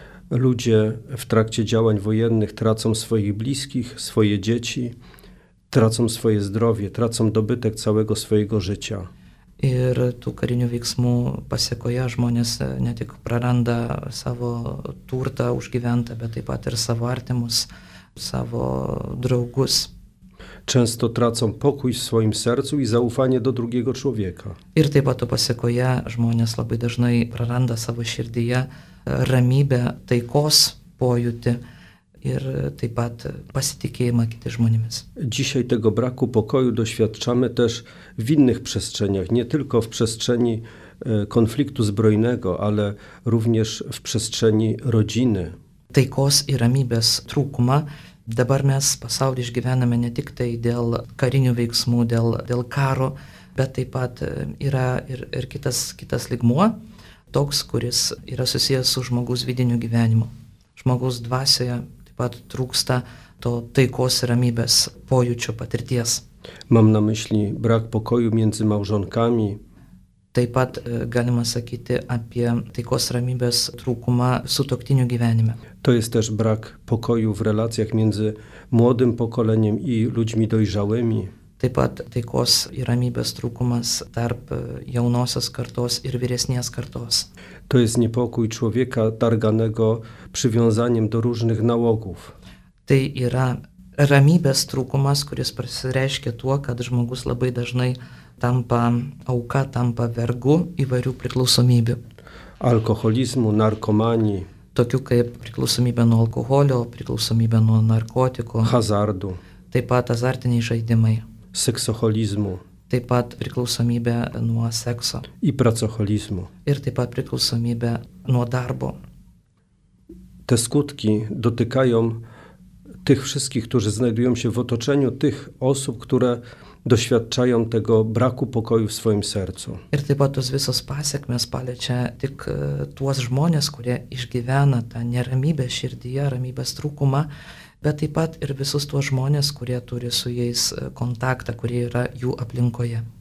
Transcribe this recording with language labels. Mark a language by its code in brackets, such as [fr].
[pl] Ludzie w trakcie działań wojennych tracą swoich bliskich, swoje dzieci, tracą swoje zdrowie, tracą dobytek całego swojego życia. [lt] Ir tų karinių veiksmų pasiekoje žmonės ne tik praranda savo turtą užgyventą, bet taip pat ir savo artimus, savo draugus. [pl] Często tracą pokój w swoim sercu i zaufanie do drugiego człowieka. [lt] Ir taip pat tų pasiekoje žmonės labai dažnai praranda savo širdyje ramybę, taikos pojūtį ir taip pat pasitikėjimą kiti žmonėmis. [pl] Dzisiaj tego braku pokoju doświadczamy też w innych przestrzeniach, nie tylko w przestrzeni konfliktu zbrojnego, ale również w przestrzeni rodziny. [lt] Taikos i ramybės trūkumą dabar mes pasaulį išgyvename ne tik tai dėl karinių veiksmų, dėl karo, bet taip pat yra ir kitas lygmuo, toks, kuris yra susijęs su žmogaus vidiniu gyvenimu. Žmogaus dvasioje taip pat trūksta to taikos ir ramybės pojūčio patirties. [pl] Mam na myśli brak pokoju między małżonkami. [lt] Taip pat galima sakyti apie taikos ramybės trūkumą sutuoktinių gyvenime. [pl] To jest też brak pokoju w relacjach między młodym pokoleniem i ludźmi dojrzałymi. [lt] Taip pat taikos i ramybės trūkumas tarp jaunosios kartos ir vyresnės kartos. [pl] To jest niepokój człowieka targanego przywiązaniem do różnych nałogów. [lt] Tai yra ramybės trūkumas, kuris pasireiškia tuo, kad žmogus labai dažnai tampa auka, tampa vergu įvairių priklausomybių. [pl] Alkoholizmu, narkomanii. [lt] Tokių kaip priklausomybė nuo alkoholio, priklausomybė nuo narkotikų. [pl] Hazardu. [lt] Taip pat azartiniai žaidimai. [pl] Seksoholizmu. [lt] Taip pat priklausomybė nuo sekso. [pl] I pracoholizmu. [lt] Ir taip pat priklausomybė nuo darbo. [pl] Te skutki dotykają tych wszystkich, którzy znajdują się w otoczeniu tych osób, które doświadczają tego braku pokoju w swoim sercu. [lt] Ir taip pat tos visos pasiekmės paliečia tik tuos žmonės, kurie išgyvena tą neramybę širdyje, ramybės trūkumą, bet taip pat ir visus tuos žmonės, kurie turi su jais kontaktą, kurie yra jų aplinkoje.